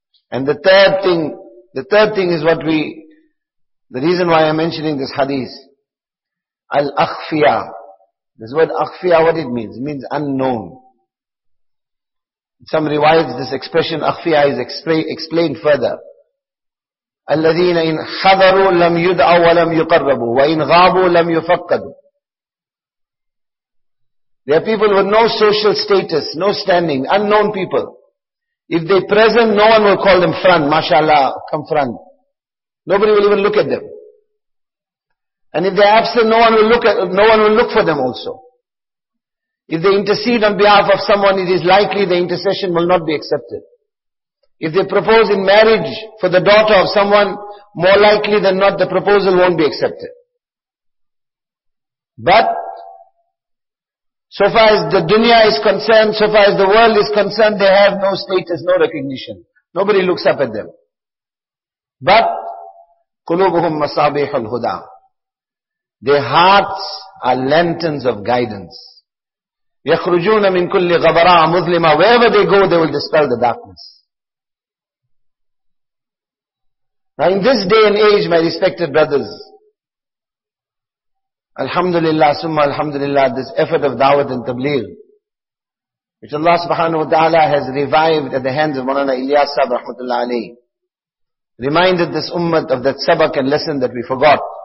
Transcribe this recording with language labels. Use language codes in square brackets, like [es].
[en] And the third thing is the reason why I'm mentioning this hadith. Al-Akhfiya. This word akhfiya, what it means? It means unknown. Some rewrites this expression akhfiya is explained further. [ar] الذين إن حضروا لم يدعوا ولم يقربوا وإن غابوا لم يفقدوا. [en] There are people with no social status, no standing, unknown people. If they present, no one will call them front, mashallah, come front. Nobody will even look at them. And if they're absent, no one will look for them also. If they intercede on behalf of someone, it is likely the intercession will not be accepted. If they propose in marriage for the daughter of someone, more likely than not, the proposal won't be accepted. But, so far as the dunya is concerned, so far as the world is concerned, they have no status, no recognition. Nobody looks up at them. But, [ar] قُلُوبُهُمْ مَصَابِحُ الْهُدَىٰ. [en] Their hearts are lanterns of guidance. [ar] يَخْرُجُونَ مِنْ كُلِّ غَبَرَىٰ مُظْلِمَىٰ. [en] Wherever they go, they will dispel the darkness. Now in this day and age, my respected brothers, alhamdulillah, summa alhamdulillah, this effort of da'wat and tabligh, which Allah subhanahu wa ta'ala has revived at the hands of Mawlana Ilyas Sahib rahmatullah alayhi, reminded this ummah of that sabak and lesson that we forgot.